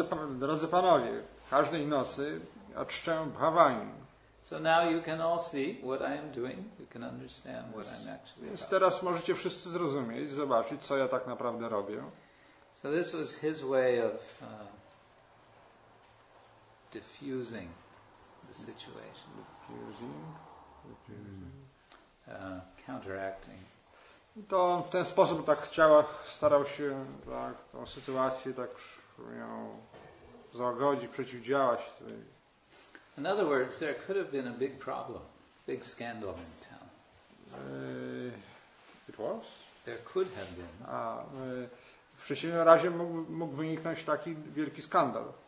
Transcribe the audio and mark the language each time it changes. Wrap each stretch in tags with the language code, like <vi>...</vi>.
<pl>Drodzy panowie, każdej nocy ja czczę Bhavani.</pl> <en>So now you can all see what I am doing. You can understand what I'm actually doing.</en> <pl>Teraz możecie wszyscy zrozumieć, zobaczyć, co ja tak naprawdę robię.</pl> <en>So this was his way of diffusing the situation. Counteracting.</en> <pl>I to on w ten sposób tak starał się tak tą sytuację tak ją załagodzić, przeciwdziałać.</pl> <en>In other words, there could have been a big problem, big scandal in town. It was? There could have been.</en> <pl>W przeciwnym razie mógł wyniknąć taki wielki skandal.</pl>